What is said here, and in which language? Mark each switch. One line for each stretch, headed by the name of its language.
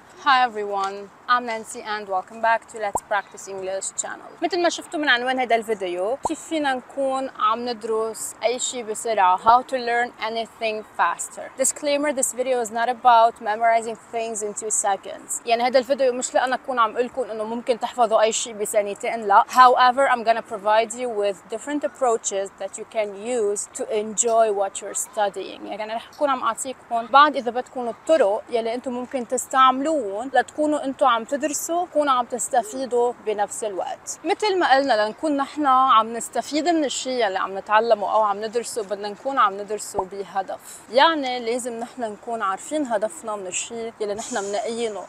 English: Hi everyone, I'm Nancy and welcome back to Let's Practice English channel.
Arabic: مثل ما شفتوا من عنوان هذا الفيديو، كيف فينا نكون عم ندرس أي شيء بسرعة.
English: How to learn anything faster. Disclaimer, this video is not about memorizing things in 2 seconds.
Arabic: يعني هذا الفيديو مش لأنا أكون عم قلكم أنه ممكن تحفظوا أي شيء بثانيتين، لا.
English: However, I'm gonna provide you with different approaches that you can use to enjoy what you're studying.
Arabic: يعني رح أكون عم أعطيكم بعض إذا بتكون الطرق يلي أنتم ممكن تستعملون لتكونوا انتو عم تدرسوا وكونوا عم تستفيدوا بنفس الوقت. مثل ما قلنا لنكون نحنا عم نستفيد من الشيء اللي عم نتعلمه او عم ندرسه بدنا نكون عم ندرسه بهدف، يعني لازم نحنا نكون عارفين هدفنا من الشيء اللي نحنا منقينه.